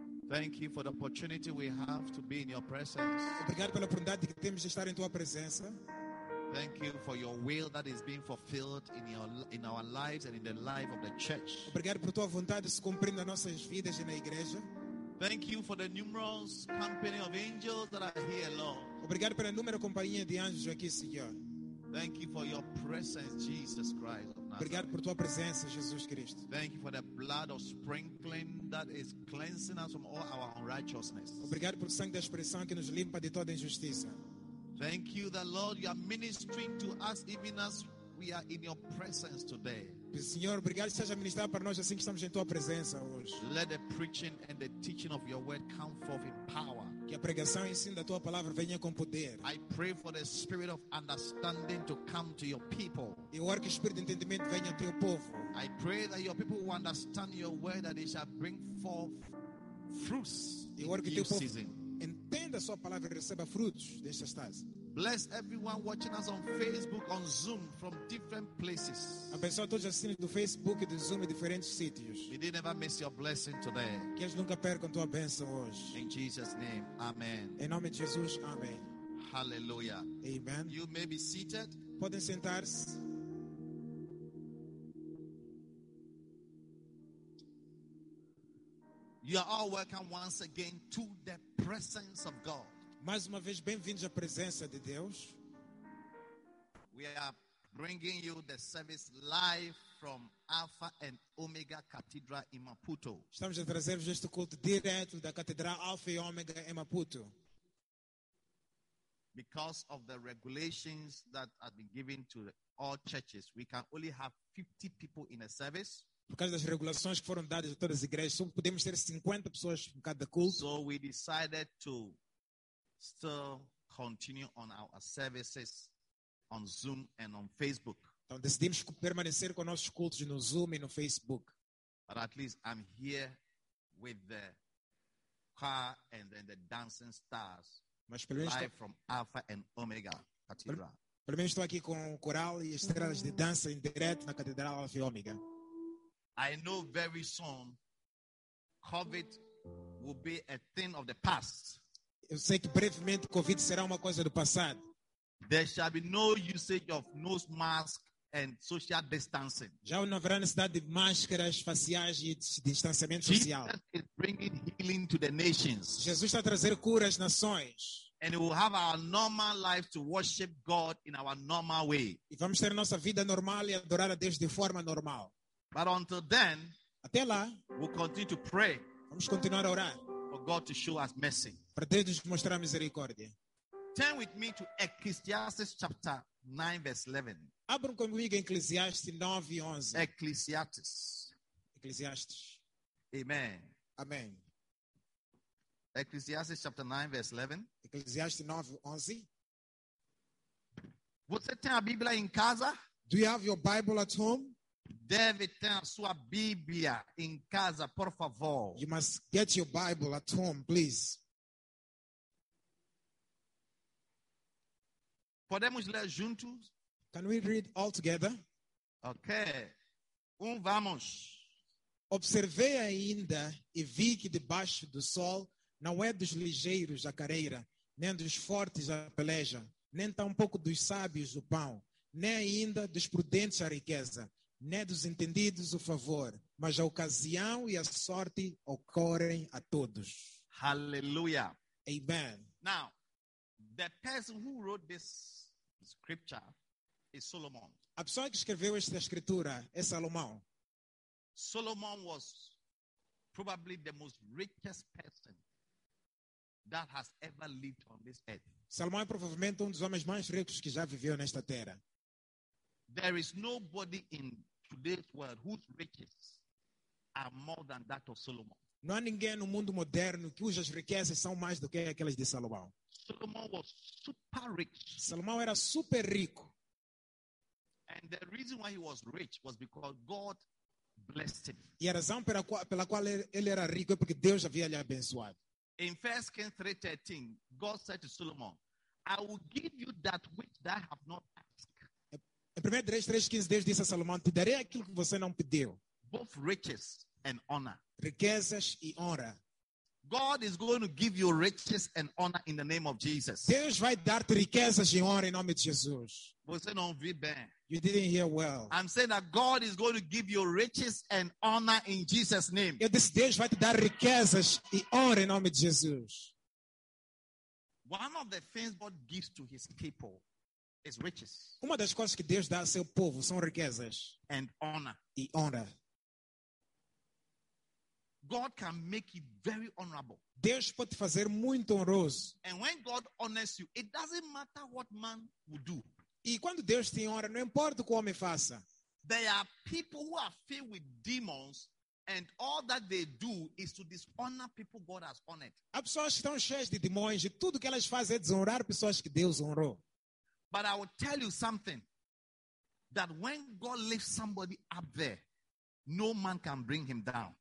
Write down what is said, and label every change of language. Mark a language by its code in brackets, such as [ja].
[en] Thank you for the opportunity we have to be in your presence. [pt] Obrigado pela oportunidade que temos de estar em tua presença. [en] Thank you for your will that is being fulfilled in your in our lives and in the life of the church. [pt] Obrigado por tua vontade se cumprindo nas nossas vidas e na igreja. [en] Thank you for the numerous company of angels that are here, Lord. [pt] Obrigado pela inúmera companhia de anjos aqui, Senhor. [en] Thank you for your presence, Jesus Christ. [pt] Obrigado por tua presença, Jesus Cristo. [en] Thank you for the blood of sprinkling that is cleansing us from all our unrighteousness. [pt] Obrigado pelo sangue da expressão que nos limpa de toda injustiça. [en] Thank you, the Lord, you are ministering to us even as we are in your presence today. [pt] Senhor, obrigado seja ministrar para nós assim que estamos em tua presença hoje. [en] Let the preaching and the teaching of your word come forth in power. [pt] Que a pregação e ensino da tua palavra venha com poder. [en] I pray for the spirit of understanding to come to your people. [pt] Eu oro que o espírito de entendimento venha ao teu povo. [en] I pray that your people will understand your word that it shall bring forth fruits. [pt] Eu oro que teu povo [en] season. [pt] Entenda a sua palavra e receba frutos desta estase. [en] Bless everyone watching us on Facebook, on Zoom, from different places. [pt] Abençoe todos assistindo do Facebook e do Zoom em diferentes sítios. [en] We didn't ever miss your blessing today. [pt] Que eles nunca percam tua bênção hoje. [en] In Jesus' name, amen. [pt] Em nome de Jesus, amém. [en] Hallelujah. Amen. You may be seated. [pt] Podem sentar-se. [en] You are all welcome once again to the presence of God. [pt] Mais uma vez, bem-vindos à presença de Deus. [en] We are bringing you the service live from Alpha and Omega Cathedral in Maputo. [pt] Estamos a trazer-vos este culto direto da Catedral Alpha e Omega em Maputo. [en] Because of the regulations that have been given to all churches, we can only have 50 people in a service. [pt] Por causa das regulações que foram dadas a todas as igrejas, só podemos ter 50 pessoas em cada culto. [en] So we decided to still continue on our services on Zoom and on Facebook. [pt] Então decidimos permanecer com nossos cultos no Zoom e no Facebook. [en] But at least I'm here with the choir and then the dancing stars live from Alpha and Omega Cathedral. [pt] Pelo menos estou aqui com o coral e estrelas de dança em direto na Catedral Alpha e Omega. [en] I know very soon COVID will be a thing of the past. [pt] Eu sei que brevemente COVID será uma coisa do passado. [en] There shall be no usage of nose mask and social distancing. [pt] Já não haverá necessidade de máscaras faciais e de distanciamento social. [en] Jesus is bringing healing to the nations. [pt] Jesus está a trazer cura às nações. [en] And we'll have our normal life to worship God in our normal way. [pt] E vamos ter nossa vida normal e adorar a Deus de forma normal. [en] But until then, [pt] até lá, [en] we'll continue to pray. [pt] Vamos continuar a orar [en] for God to show us mercy. [pt] Para Deus nos mostrar misericórdia. [en] Turn with me to Ecclesiastes chapter 9 verse 11. [pt] Abram comigo Eclesiastes 9 e 11. [en] Ecclesiastes. [pt] Eclesiastes. [en] Amen. [pt] Amen. [en] Ecclesiastes chapter 9 verse 11. [pt] Eclesiastes 9 11. Você tem a Bíblia em casa? [en] Do you have your Bible at home? [pt] Deve ter a sua Bíblia em casa, por favor. [en] You must get your Bible at home, please. [pt] Podemos ler juntos? [en] Can we read all together? [pt] Ok. Vamos. Observei ainda e vi que debaixo do sol não é dos ligeiros a careira, nem dos fortes a peleja, nem tampouco dos sábios o pão, nem ainda dos prudentes a riqueza, nem dos entendidos o favor, mas a ocasião e a sorte ocorrem a todos. [en] Hallelujah. Amen. Now, the person who wrote this scripture is Solomon. [pt] A pessoa que escreveu esta escritura é Salomão. [en] Solomon was probably the most richest person that has ever lived on this earth. [pt] Salomão é provavelmente um dos homens mais ricos que já viveu nesta terra. [en] There is nobody in today's world whose riches are more than that of Solomon. [pt] Não há ninguém no mundo moderno cujas riquezas são mais do que aquelas de Salomão. [en] Solomon was super rich. [pt] Salomão era super rico. [en] And the reason why he was rich was because God blessed him. [pt] E a razão pela qual ele era rico é porque Deus havia lhe abençoado. [en] In 1 Kings 3:13, God said to Solomon, I will give you that which thou have not asked. [pt] Em 1 Reis 3:15, Deus disse a Salomão: te darei aquilo que você não pediu. [en] Both riches and honor. [pt] Riquezas e honra. [en] God is going to give you riches and honor in the name of Jesus. [pt] Deus vai dar-te riquezas e honra em nome de Jesus. Você não vê bem. [en] You didn't hear well. I'm saying that God is going to give you riches and honor in Jesus' name. [pt] Eu disse, Deus vai te dar riquezas e honra em nome de Jesus. [en] One of the things God gives to his people is riches. [pt] Uma das coisas que Deus dá ao seu povo são riquezas [en] and honor. [pt] E honra. [en] God can make you very honorable. [pt] Deus pode fazer muito honroso. [en] And when God honors you, it doesn't matter what man will do. [pt] E quando Deus te honra, não importa o que o homem faça. [en] There are people who are filled with demons and all that they do is to dishonor people God has honored. [pt] Há pessoas que estão cheias de demônios e tudo que elas fazem é desonrar pessoas que Deus honrou. [en] But I will tell you something, that when God lifts somebody up there, no man can bring him down.